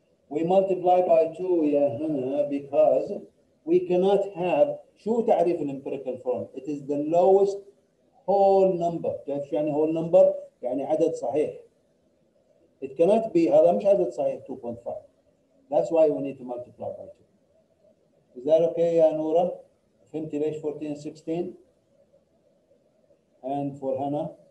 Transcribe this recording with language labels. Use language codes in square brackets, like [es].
[en] We multiply by 2 because we cannot have [ar] شو تعريف الامبريكال فورم؟ [en] It is the lowest whole number. [ar] تعرف شو يعني [en] whole number؟ [ar] يعني عدد صحيح. [en] It cannot be [ar] هذا مش عدد صحيح 2.5. [en] That's why we need to multiply by 2. Is that okay [ar] يا نورة؟ فهمتي ليش [en] 14 and 16؟ And for Hannah?